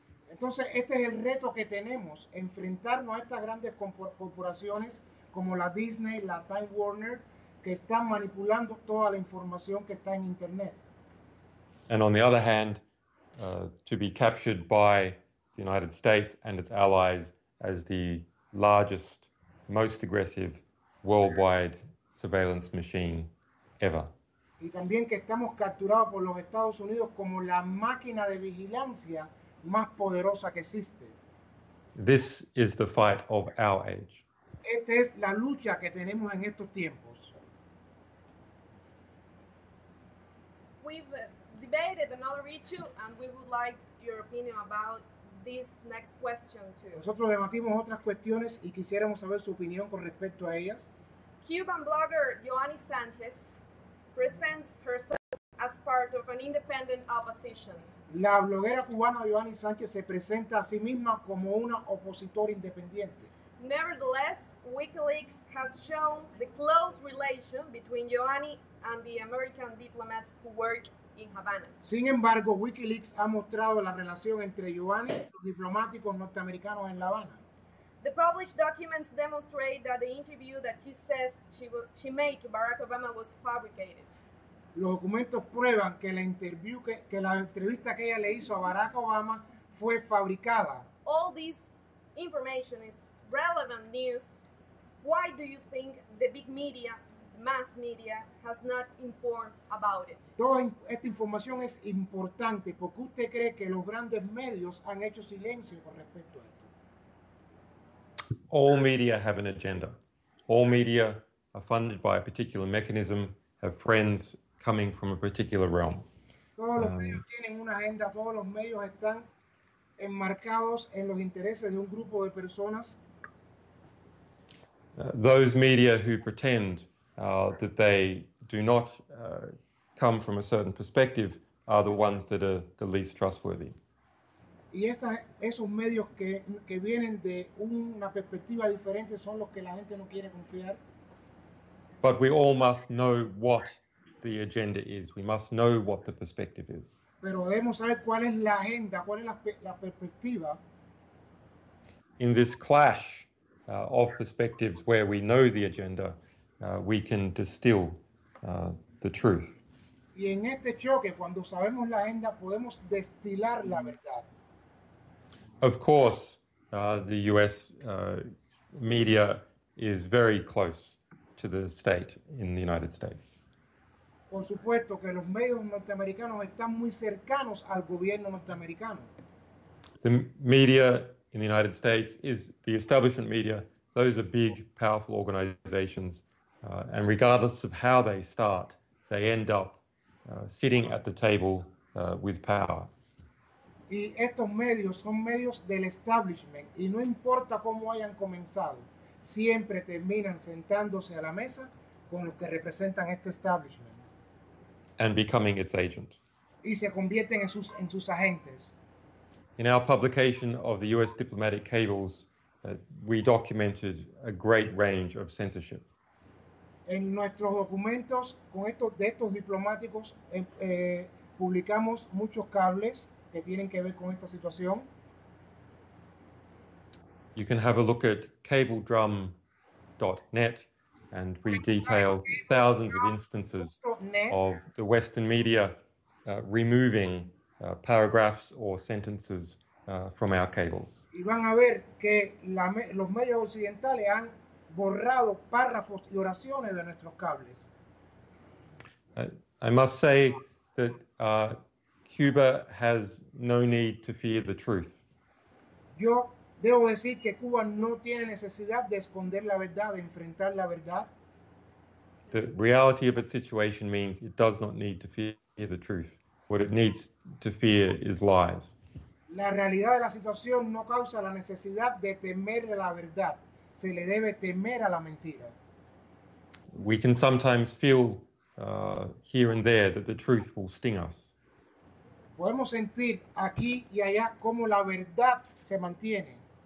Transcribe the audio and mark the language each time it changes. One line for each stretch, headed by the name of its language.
Spanish: Entonces, este es el reto que tenemos, enfrentarnos a estas grandes corporaciones como la Disney, la Time Warner, que están manipulando toda la información que está en Internet.
English: And on the other hand, to be captured by the United States and its allies as the largest, most aggressive worldwide surveillance machine ever.
Spanish: Y también que estamos capturados por los Estados Unidos como la máquina de vigilancia más poderosa que existe.
English: This is the fight of our age.
Spanish: Esta es la lucha que tenemos en estos tiempos.
English: We've debated another issue and we would like your opinion about this next question too.
Spanish: Nosotros debatimos otras cuestiones y quisiéramos saber su opinión con respecto a ellas.
English: Cuban blogger Joanny Sánchez presents herself as part of an independent opposition.
Spanish: La bloguera cubana Joanny Sánchez se presenta a sí misma como una opositora independiente.
English: Nevertheless, Wikileaks has shown the close relation between Joanny and the American diplomats who work in Havana.
Spanish: Sin embargo, Wikileaks ha mostrado la relación entre Joanny y los diplomáticos norteamericanos en La Habana.
English: The published documents demonstrate that the interview that she says she made to Barack Obama was fabricated.
Spanish: Los documentos prueban que la interview que la entrevista que ella le hizo a Barack Obama fue fabricada.
English: All this information is relevant news. Why do you think the big media, mass media, has not informed about it?
Spanish: Toda esta información es importante porque usted cree que los grandes medios han hecho silencio con respecto a esto.
English: All media have an agenda. All media are funded by a particular mechanism, have friends coming from a particular realm.
Spanish: Todos los medios tienen una agenda, todos los medios están enmarcados en los intereses de un grupo de personas.
English: Those media who pretend that they do not come from a certain perspective are the ones that are the least trustworthy.
Spanish: Y esos medios que vienen de una perspectiva diferente son los que la gente no quiere confiar.
English: But we all must know what the agenda is. We must know what the perspective is.
Spanish: Pero debemos saber cuál es la agenda, cuál es la perspectiva.
English: In this clash of perspectives where we know the agenda, we can distill the truth.
Spanish: Y en este choque, cuando sabemos la agenda, podemos destilar la verdad.
English: Of course, the U.S. Media is very close to the state in the United States.
Spanish: Por supuesto que los medios norteamericanos están muy cercanos al gobierno norteamericano.
English: The media in the United States is the establishment media. Those are big, powerful organizations. And regardless of how they start, they end up sitting at the table with power.
Spanish: Y estos medios son medios del establishment. Y no importa cómo hayan comenzado, siempre terminan sentándose a la mesa con los que representan este establishment.
English: And becoming its agent.
Spanish: Y se convierten en sus agentes.
English: In our publication of the U.S. diplomatic cables, we documented a great range of censorship.
Spanish: En nuestros documentos con estos de estos diplomáticos publicamos muchos cables que tienen que ver con esta situación.
English: You can have a look at cabledrum.net. And we detail thousands of instances of the Western media removing paragraphs or sentences from our cables.
Spanish: Y van a ver que los medios occidentales han borrado párrafos y oraciones de nuestros cables.
English: I must say that Cuba has no need to fear the truth.
Spanish: Yo debo decir que Cuba no tiene necesidad de esconder la verdad, de enfrentar la verdad.
English: The reality of its situation means it does not need to fear the truth. What it needs to fear is lies.
Spanish: La realidad de la situación no causa la necesidad de temer la verdad. Se le debe temer a la mentira.
English: We can sometimes feel here and there that the truth will sting us.
Spanish: Podemos sentir aquí y allá cómo la verdad se mantiene.